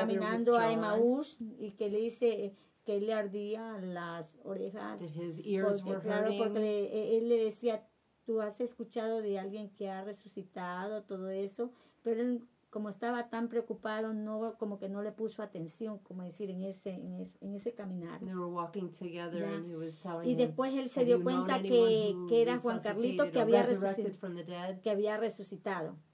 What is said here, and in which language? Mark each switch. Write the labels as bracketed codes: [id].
[es] Caminando a Emaús, y que le dice que le ardía las orejas. [en] That his ears [es] porque, [en] were hurting. [es] Claro, porque él le decía, tú has escuchado de alguien que ha resucitado, todo eso. Pero él, como estaba tan preocupado, no, como que no le puso atención, como decir, en ese caminar. [en] They were walking together, yeah. And he was telling [es] y después él se dio cuenta que era Juan Carlito que había resucitado.